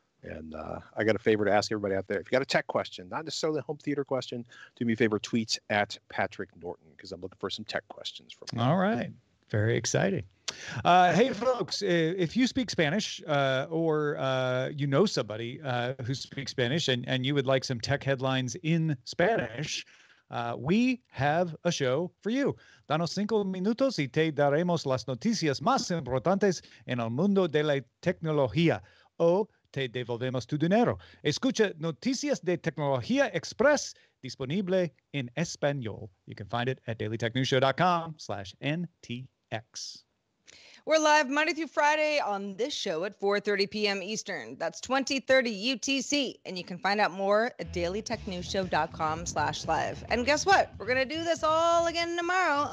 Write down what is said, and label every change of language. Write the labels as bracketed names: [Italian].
[English] And I got a favor to ask everybody out there. If you got a tech question, not necessarily a home theater question, do me a favor, tweet at Patrick Norton, because I'm looking for some tech questions from you. All right. Very exciting. Hey, folks, if you speak Spanish or you know somebody who speaks Spanish and you would like some tech headlines in Spanish, we have a show for you. [Spanish] Danos cinco minutos y te daremos las noticias más importantes en el mundo de la tecnología. O te devolvemos tu dinero. Escucha Noticias de Tecnología Express, disponible en español. [English] You can find it at dailytechnewsshow.com/NTX. We're live Monday through Friday on this show at 4:30 p.m. Eastern. That's 20:30 UTC. And you can find out more at dailytechnewsshow.com/live. And guess what? We're going to do this all again tomorrow.